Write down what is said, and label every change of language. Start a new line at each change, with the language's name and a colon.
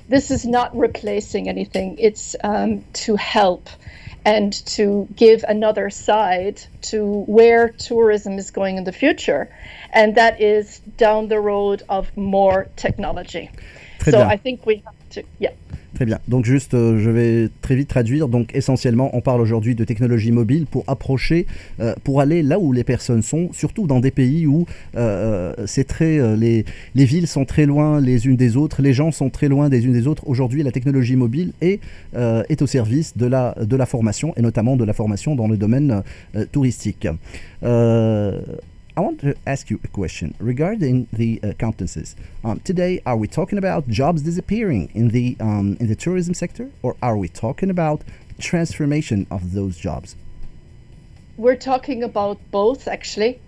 English: This is not replacing anything. It's to help and to give another side to where tourism is going in the future. And that is down the road of more technology.
French: Très
English: so
French: bien.
English: I think we have to, yeah.
French: Très bien. Donc juste, je vais très vite traduire. Donc essentiellement, on parle aujourd'hui de technologie mobile pour approcher, pour aller là où les personnes sont, surtout dans des pays où c'est très, les villes sont très loin les unes des autres, les gens sont très loin des unes des autres. Aujourd'hui, la technologie mobile est au service de la formation, et notamment de la formation dans le domaine touristique.
English: I want to ask you a question regarding the accountancies. Today, are we talking about jobs disappearing in the tourism sector, or are we talking about transformation of those jobs? We're talking about both, actually.